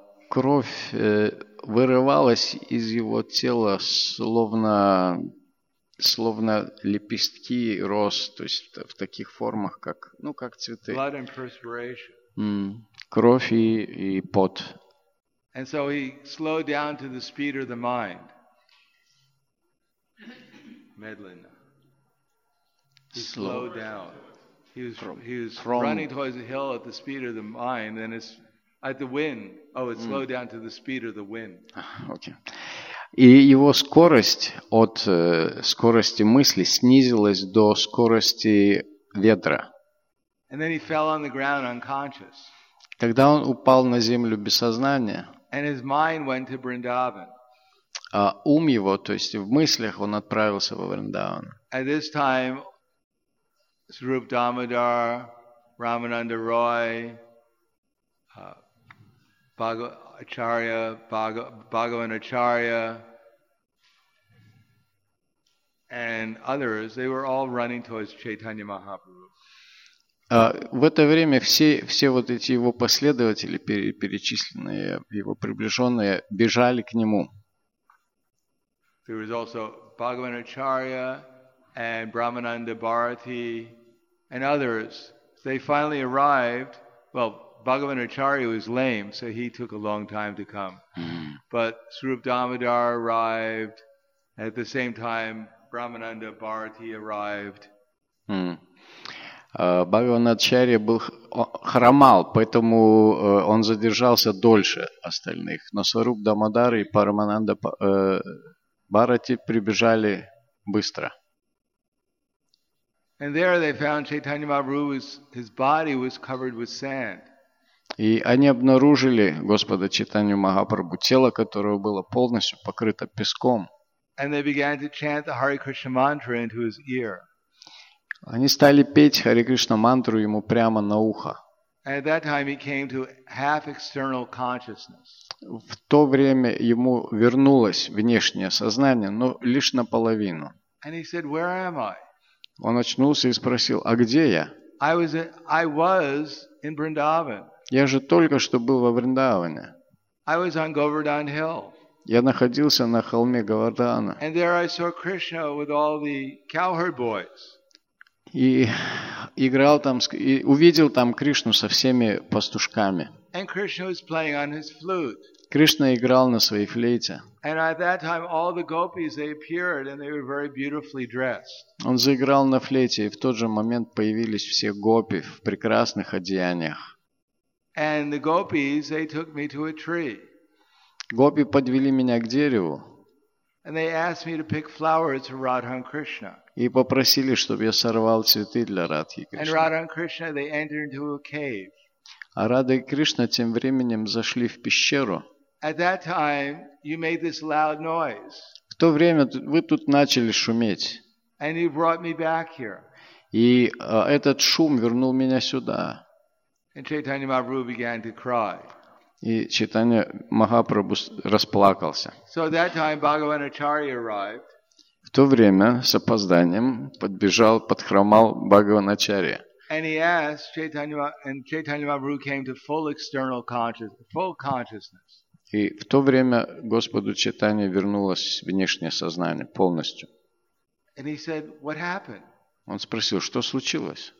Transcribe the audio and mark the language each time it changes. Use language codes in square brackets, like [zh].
[ru] Кровь вырывалась из его тела, словно словно лепестки роз, то есть в таких формах, как, ну, как цветы. [en] Blood and perspiration. [ru] Кровь и пот. [en] And so he slowed down to the speed of the mind. [ru] Медленно. [en] He slowed down. He was running towards the hill at the speed of the mind, and it's at the wind. Oh, it slowed down to the speed of the wind. Okay. [ru] И его скорость от скорости мысли снизилась до скорости ветра. [en] And then he fell on the ground unconscious. [ru] Тогда он упал на землю без сознания. [en] And his mind went to Vrindavan. [ru] А ум его, то есть в мыслях, он отправился во Вриндаван. [en] At this time, Srup Damodar, Ramananda Roy, Bhagavan Acharya, and others, they were all running towards Chaitanya Mahaprabhu. [ru] В это время все вот эти его последователи, перечисленные, его приближенные, бежали к нему. [en] There was also Bhagavan Acharya and Brahmananda Bharati and others. They finally arrived. Well, Bhagavan Acharya was lame, so he took a long time to come. But Srup Damodar arrived. At the same time, Brahmananda Bharati arrived. [ru] Бхагаван Ачарья был хромал, поэтому он задержался дольше остальных. Но Сваруп Дамодар и Парамананда Бхарати прибежали быстро. [en] And there they found Chaitanya Mahaprabhu's his body was covered with sand. [ru] И они обнаружили Господа Чайтанью Махапрабху, тело которого было полностью покрыто песком. [en] And they began to chant the Hare Krishna mantra into his ear. [ru] Они стали петь Харе Кришна мантру ему прямо на ухо. [en] And at that time he came to half external consciousness. [ru] В то время ему вернулось внешнее сознание, но лишь наполовину. [en] And he said, "Where am I?" [ru] Он очнулся и спросил: "А где я?" [en] I was in Vrindavan. [ru] Я же только что был во Вриндаване. [en] I was on Govardhan Hill. [ru] Я находился на холме Говардхана. [en] And there I saw Krishna with all the cowherd boys. [ru] И играл там, и увидел там Кришну со всеми пастушками. [en] And Krishna was playing on his flute. [ru] Кришна играл на своей флейте. [en] And at that time all the gopis they appeared and they were very beautifully dressed. [ru] Он заиграл на флейте, и в тот же момент появились все гопи в прекрасных одеяниях. [en] And the gopis they took me to a tree. [ru] Гопи подвели меня к дереву. [en] And they asked me to pick flowers for Radha and Krishna. [ru] И попросили, чтобы я сорвал цветы для Радхи Кришны. [en] And Radha and Krishna they entered into a cave. [ru] А Радха и Кришна тем временем зашли в пещеру. [en] At that time, you made this loud noise. [ru] В то время вы тут начали шуметь. [en] And you brought me back here. [ru] И этот шум вернул меня сюда. [en] And Chaitanya Mahaprabhu began to cry. [ru] И Чайтанья Махапрабху расплакался. [en] So that time, Bhagavan Acharya arrived. [ru] В то время с опозданием подбежал, подхромал Бхагаван Ачарья. [en] And he asked Chaitanya, and Chaitanya Mahaprabhu came to full external consciousness. [ru] И в то время Господу Чайтанье вернулось внешнее сознание полностью. [en] And he said, "What happened?" [ru] Он спросил, что случилось?